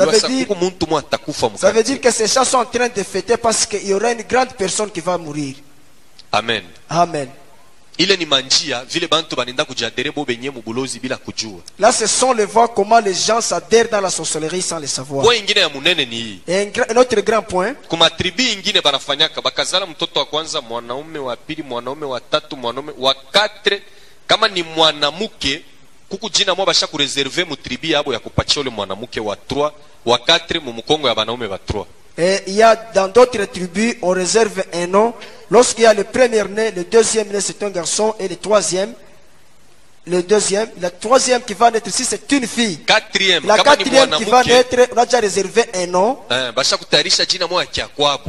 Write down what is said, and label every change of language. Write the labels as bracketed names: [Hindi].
[French] Ça veut dire que ces chats sont en train de fêter parce qu'il y aura une grande personne qui va mourir. Amen. Amen. [Swahili] Ile ni manjia vile bantu banenda kujadere bo benye mubulozi bila kujua. [French] Là ce sont les voies comment les gens s'adhèrent dans la sorcellerie sans le savoir. [Swahili] Point ingine ya munene ni hii. [French] Un autre grand point. [Swahili] Kuma tribu ingine banafanyaka bakazala mtoto wa kwanza mwanaume wa pili mwanaume wa tatu mwanaume wa quatre kama ni mwanamke kuku jina mwa basha kureserve mutribi yabo ya kupachia ule mwanamke wa 3 wa 4 mu mkongo ya wanaume wa 3. [French] Il y a dans d'autres tribus on réserve un nom lorsqu'il y a le premier né, le deuxième né c'est un garçon et le troisième qui va naître si c'est une fille. Quatrième, la quatrième qui va naître on a déjà réservé un nom. [Swahili] Basha kutarisha jina mwa ya kwabo.